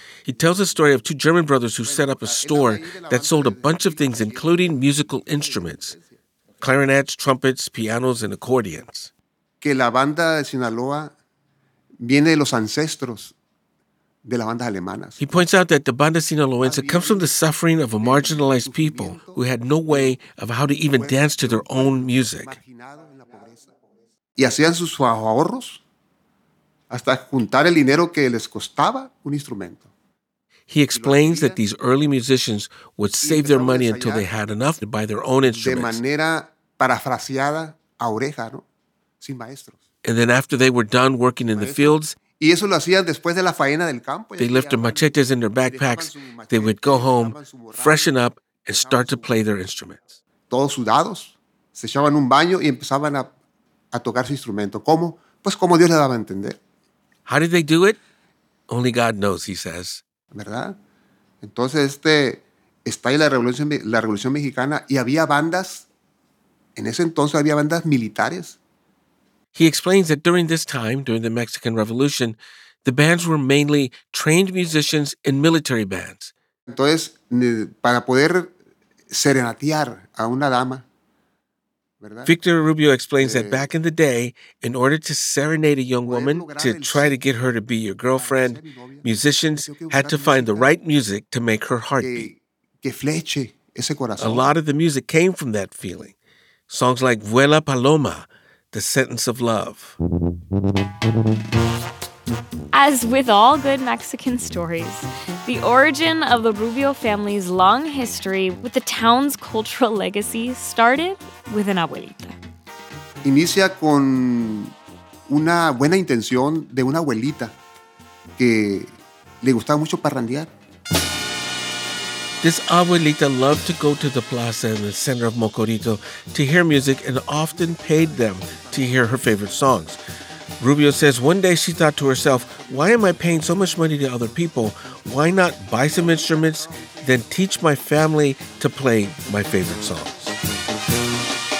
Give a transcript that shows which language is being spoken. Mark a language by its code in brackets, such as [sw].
[en] He tells a story of two German brothers who set up a store that sold a bunch of things, including musical instruments, clarinets, trumpets, pianos, and accordions. [es] Que la banda de Sinaloa viene de los ancestros. [en] He points out that the banda sinaloense comes from the suffering of a marginalized people who had no way of how to even dance to their own music. [es] Y hacían sus ahorros hasta juntar el dinero que les costaba un instrumento. [en] He explains that these early musicians would save their money until they had enough to buy their own instruments. [es] De manera parafraseada a oreja, ¿no? Sin maestros. [en] And then after they were done working in the fields, [es] y eso lo hacían después de la faena del campo. [en] They left their machetes in their backpacks. They would go home, freshen up, and start to play their instruments. [es] Todos sudados, se echaban un baño y empezaban a tocar su instrumento. ¿Cómo? Pues como Dios le daba a entender. [en] How did they do it? Only God knows, he says. [es] ¿Verdad? Entonces está ahí la Revolución Mexicana y había bandas, en ese entonces había bandas militares. [en] He explains that during this time, during the Mexican Revolution, the bands were mainly trained musicians in military bands. [es] Entonces, para poder serenatear a una dama, ¿verdad? [en] Victor Rubio explains that back in the day, in order to serenade a young woman, to try to get her to be your girlfriend, musicians had to find the right music to make her heart beat. [es] Que fleche ese corazón. [en] A lot of the music came from that feeling. Songs like Vuela Paloma, The Sentence of Love. As with all good Mexican stories, The origin of the Rubio family's long history with the town's cultural legacy started with an abuelita. [es] Inicia con una buena intención de una abuelita que le gustaba mucho parrandear. [en] This abuelita loved to go to the plaza in the center of Mocorito to hear music and often paid them to hear her favorite songs. Rubio says one day she thought to herself, why am I paying so much money to other people? Why not buy some instruments, then teach my family to play my favorite songs?